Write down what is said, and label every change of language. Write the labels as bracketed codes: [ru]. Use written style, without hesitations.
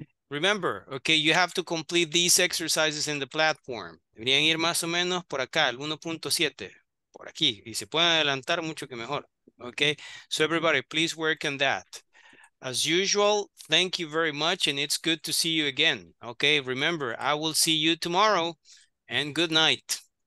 [en] Remember, okay, you have to complete these exercises in the platform. [es] Deberían ir más o menos por acá, el 1.7, por aquí. Y se pueden adelantar mucho que mejor. [en] Okay, so everybody, please work on that. As usual, thank you very much, and it's good to see you again. Okay, remember, I will see you tomorrow, and good night.